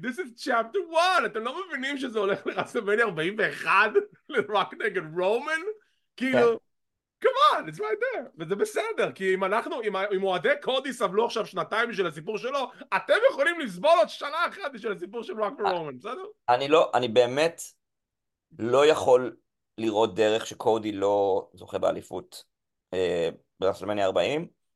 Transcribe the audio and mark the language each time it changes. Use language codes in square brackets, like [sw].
[en] This is chapter one! [he] אתם לא מבינים שזה הולך לרסלמניה 41 לרוק נגד רומן? כאילו, [en] come on, it's right there! [he] וזה בסדר, כי אם אנחנו, אם אוהדי קודי סבלו עכשיו שנתיים של הסיפור שלו, אתם יכולים לסבול עוד שנה אחת של הסיפור של רוק ורומן, בסדר? אני לא, אני באמת לא יכול לראות דרך שקודי לא זוכה באליפות ברסלמניה 40.